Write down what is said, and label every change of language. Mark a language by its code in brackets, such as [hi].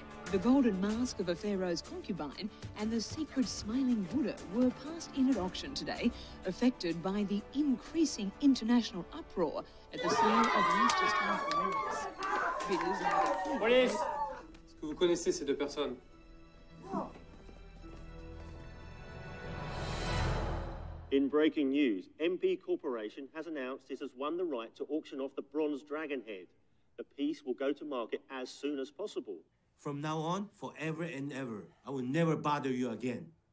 [en] The golden mask of a pharaoh's concubine and the sacred smiling Buddha were passed in at auction today, affected by the increasing international uproar at the sale of Master's Temple relics. Police! [fr] Est-ce que vous connaissez ces deux personnes? [en] In breaking news, MP Corporation has announced it has won the right to auction off the bronze dragon head. The piece will go to market as soon as possible. From now on, forever and ever, I will never bother you again.